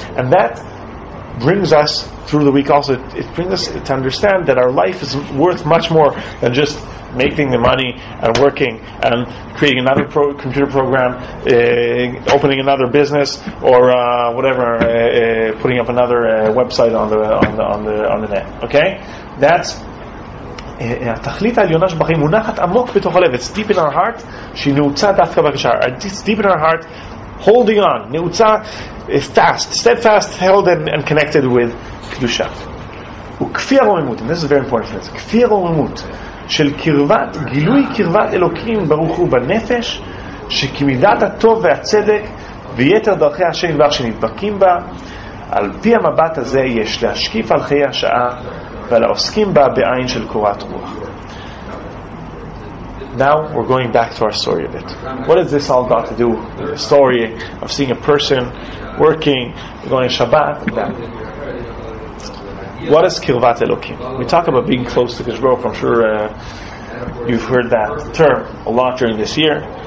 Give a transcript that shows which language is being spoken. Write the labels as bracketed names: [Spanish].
[English] And that brings us through the week also, it brings us to understand that our life is worth much more than just making the money and working and creating another computer program, opening another business, or whatever, putting up another website on the net. Okay, that's [Hebrew] התכלית העליונה שבחיים מונחת עמוק בתוך הלב. [English] It's deep in our heart. [Hebrew] She נעוצה דווקא בקשר. [English] It's deep in our heart, holding on. נעוצה fast, steadfast, held and connected with קדושה. [Hebrew] וכפי הרוממות, [English] and this is very important for us, [Hebrew] כפי הרוממות של קרבת, גילוי קרבת אלוקים ברוך הוא בנפש, שכמידת הטוב והצדק ויתר דרכי השם דבר שנדבקים בה, על פי המבט הזה יש להשקיף על חיי השעה ועל העוסקים בה בעין של קורת רוח. [English] Now we're going back to our story a bit. What has this all got to do with the story of seeing a person working, going to Shabbat? What is Kirvat Elokim? We talk about being close to Kadosh Baruch Hu. I'm sure you've heard that term a lot during this year.